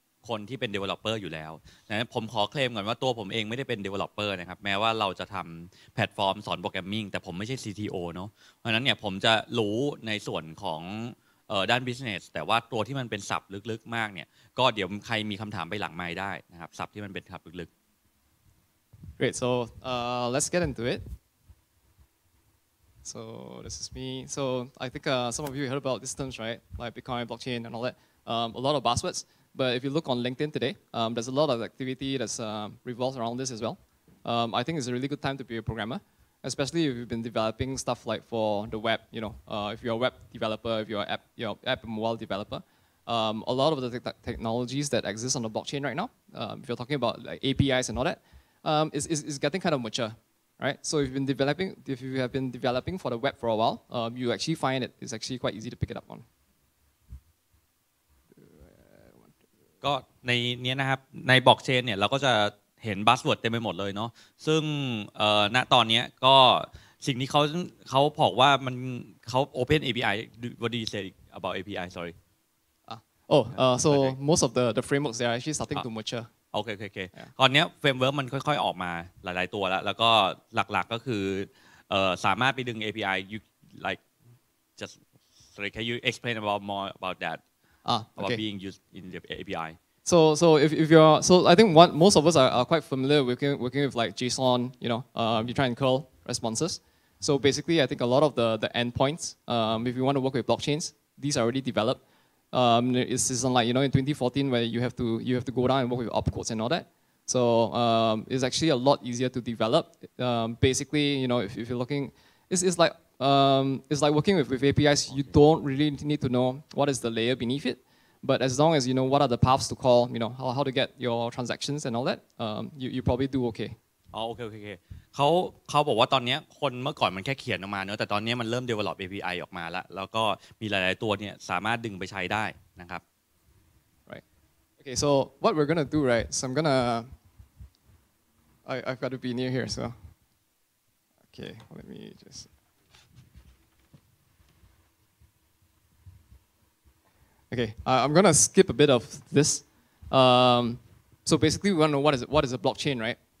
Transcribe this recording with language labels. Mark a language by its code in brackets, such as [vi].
[th] คนที่เป็น developer อยู่แล้วนะผมขอเคลมก่อนว่าตัวผมเองไม่ได้เป็น developer นะครับแม้ว่าเราจะทำแพลตฟอร์มสอนโปรแกรมมิ่งแต่ผมไม่ใช่ CTO เนาะเพราะนั้นเนี่ยผมจะรู้ในส่วนของด้าน business แต่ว่าตัวที่มันเป็นศัพท์ลึกๆมากเนี่ยก็เดี๋ยวใครมีคำถามไปหลังไมค์ได้นะครับศัพท์ที่มันเป็นศัพท์ลึก [en] ๆ Great so let's get into it so this is me so I think some of you heard about this terms right like Bitcoin blockchain and all that a lot of buzzwordsBut if you look on LinkedIn today, there's a lot of activity that revolves around this as well. I think it's a really good time to be a programmer, especially if you've been developing stuff like for the web, you know, if you're a web developer, if you're an app, you know, app and mobile developer. A lot of the technologies that exist on the blockchain right now, if you're talking about like APIs and all that, is getting kind of mature, right? So if you have been developing for the web for a while, you actually find it is actually quite easy to pick it up on. [th] ก็ในนี้นะครับในบล็อกเชนเนี่ยเราก็จะเห็นบัสเวิร์ดเต็มไปหมดเลยเนาะซึ่งณตอนนี้ก็สิ่งที่เขาบอกว่ามันเขา open API [en] what do you say about API sorry so most of the frameworks they are actually starting to mature [th] okay okay okay ตอนนี้เฟรมเวิร์กมันค่อยๆออกมาหลายๆตัวแล้วก็หลักๆก็คือสามารถไปดึง API [en] you like just sorry can you explain more about thatAbout being used in the API. So if you're, so I think what most of us are quite familiar with working with like JSON, you know, you try and curl responses. So basically, I think a lot of the endpoints, if you want to work with blockchains, these are already developed. It's unlike, you know, in 2014 where you have to go down and work with opcodes and all that. So it's actually a lot easier to develop. Basically, you know, if you're looking, it's like working with APIs, okay. You don't really need to know what is the layer beneath it, but as long as you know what are the paths to call, you know, how to get your transactions and all that, you probably do okay. Oh, okay. [th] เขาบอกว่าตอนนี้คนเมื่อก่อนมันแค่เขียนออกมาเนอะแต่ตอนนี้มันเริ่ม develop API ออกมาแล้วแล้วก็มีหลายๆตัวเนี่ยสามารถดึงไปใช้ได้นะครับ [en] Right. Okay, so what we're going to do, right? So I'm going to... I've got to be near here, so... Okay, let me just... Okay, I'm gonna skip a bit of this. So basically, we want to know what is a blockchain, right?